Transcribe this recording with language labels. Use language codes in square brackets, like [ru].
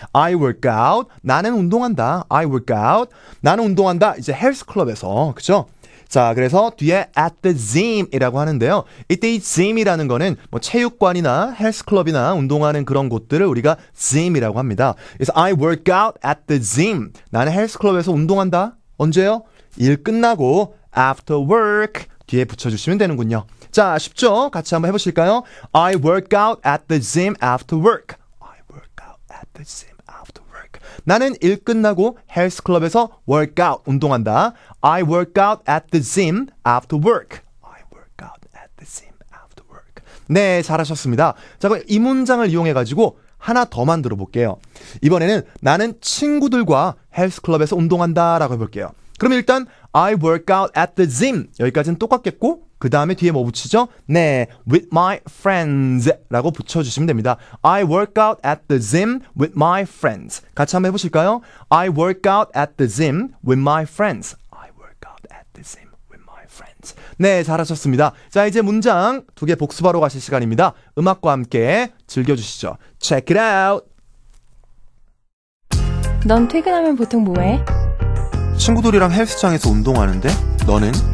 [en] I work out. [ko] 나는 운동한다. [en] I work out. 나는 운동한다. [ko] 이제 헬스클럽에서. 그죠? 자, 그래서 뒤에 [en] at the gym [ko] 이라고 하는데요. 이때 이 gym 이라는 거는 뭐 체육관이나 헬스클럽이나 운동하는 그런 곳들을 우리가 gym 이라고 합니다. [en] 그래서 I work out at the gym. [ko] 나는 헬스클럽에서 운동한다. 언제요? 일 끝나고 [en] after work [ko] 뒤에 붙여주시면 되는군요. 자, 쉽죠? 같이 한번 해보실까요? [en] I work out at the gym after work. I work out at the gym after work. [ko] 나는 일 끝나고 헬스클럽에서 [en] work out [ko] 운동한다. [en] I work out at the gym after work. I work out at the gym after work. [ko] 네, 잘하셨습니다. 자, 그럼 이 문장을 이용해가지고 하나 더 만들어 볼게요. 이번에는 나는 친구들과 헬스클럽에서 운동한다 라고 해볼게요. 그럼 일단 [en] I work out at the gym [ko] 여기까지는 똑같겠고, 그 다음에 뒤에 뭐 붙이죠? 네, [en] with my friends [ko] 라고 붙여주시면 됩니다. [en] I work out at the gym with my friends. [ko] 같이 한번 해보실까요? [en] I work out at the gym with my friends. I work out at the gym with my friends. [ko] 네, 잘하셨습니다. 자, 이제 문장 두 개 복습하러 가실 시간입니다. 음악과 함께 즐겨주시죠. [en] Check it out. [ko] 넌 퇴근하면 보통 뭐해? 친구들이랑 헬스장에서 운동하는데, 너는?